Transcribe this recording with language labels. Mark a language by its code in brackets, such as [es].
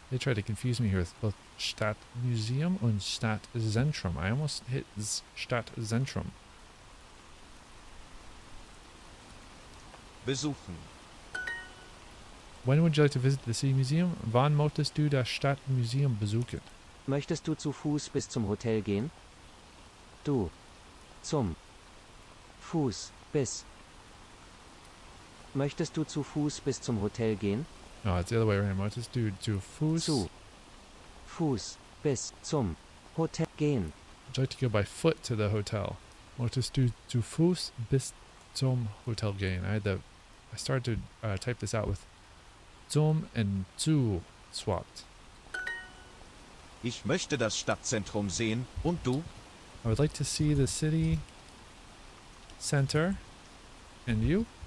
[en] They tried to confuse me here with both Stadtmuseum und Stadtzentrum. I almost hit Stadtzentrum. [de] Besuchen. [en] When would you like to visit the City Museum? [de] Wann möchtest du das Stadtmuseum besuchen? Möchtest du zu Fuß bis zum Hotel gehen? Du zum Fuß bis. Möchtest du zu Fuß bis zum Hotel gehen? [en] No, it's the other way around. [de] Möchtest du zu Fuß? Zu Fuß bis zum Hotel gehen. [en] Would you like to go by foot to the hotel? [de] Möchtest du zu Fuß bis zum Hotel gehen? [en] I started to type this out with zum and zu swapped. [de] Ich möchte das Stadtzentrum sehen und du? [en] I would like to see the city center, and you?